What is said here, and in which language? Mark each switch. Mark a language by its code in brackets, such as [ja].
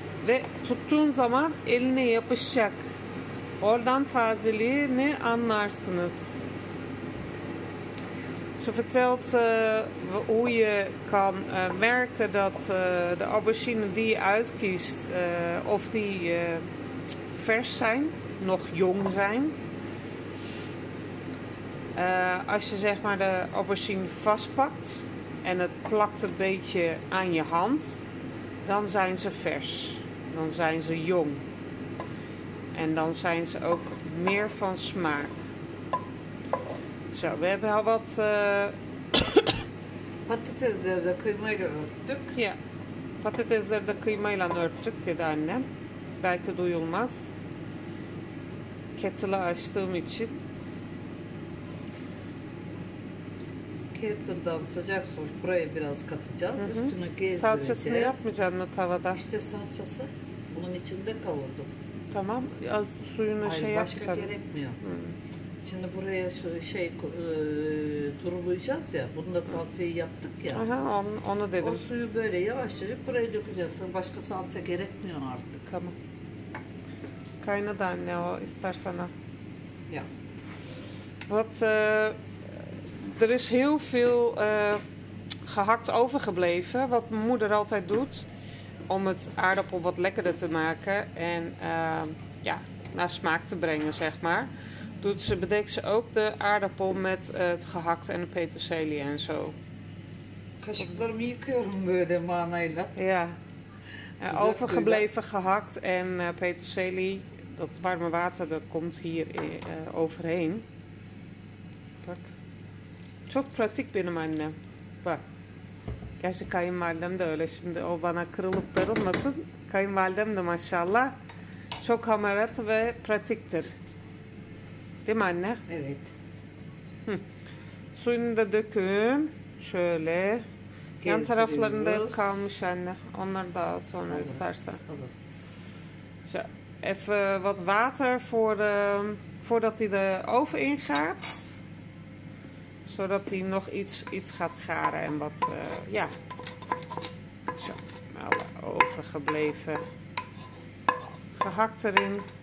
[tr] Ve tuttuğun zaman eline yapışacak. Oradan tazeliğini anlarsınız. [nl] Ze vertelt hoe je kan merken dat de aubergine die je uitkiest, of die vers zijn, nog jong zijn. Als je zeg maar de aubergine vastpakt en het plakt een beetje aan je hand, dan zijn ze vers, dan zijn ze jong. En dan zijn ze ook meer van smaak. Zo, we hebben al wat [tr] patatesleri de kıymayla örttük. [nl] Ja. [tr] Patatesleri de kıymayla örttük dedi annem. Belki duyulmaz. Kettle'ı açtığım için. Kettle'dan sıcak su buraya biraz katacağız. Hı-hı. Üstünü gezdireceğiz. Salçasını yapmayacaksın mı tavada? İşte salçası. Bunun içinde kavurdum. Tamam, az suyunu hayır, şey yapacağım. Başka gerekmiyor. Hmm. Şimdi buraya şu şey durulacağız ya, bunu da salçayı yaptık ya. Aha, onu dedim. O suyu böyle yavaşlayıp buraya dökeceğiz. Başka salça gerekmiyor artık. Tamam. Kaynadı anne o, ister sana. Ya. [nl] Wat, er is heel veel gehakt overgebleven, wat mijn moeder altijd doet. Om het aardappel wat lekkerder te maken en ja, naar smaak te brengen, zeg maar. Bedekt ze ook de aardappel met het gehakt en de peterselie en zo. [tr] Kaşıklarımı yıkıyorum böyle manayla. [nl] Ja. Overgebleven gehakt en peterselie, dat warme water, dat komt hier overheen. [tr] Bak. Çok pratik benim annem. Bak. Gerçi kayınvalidem de öyle şimdi. O bana kırılıp darılmasın. Kayınvalidem de maşallah çok hamarat ve pratiktir. Değil mi anne? Evet. Hı. Suyunu da dökün. Şöyle. Yan taraflarında kalmış anne. Onları daha sonra alırız, istersen. Alırız. [nl] Zo, even wat water voordat hij de oven ingaat. Zodat hij nog iets gaat garen en wat, ja. Zo, alle overgebleven gehakt erin.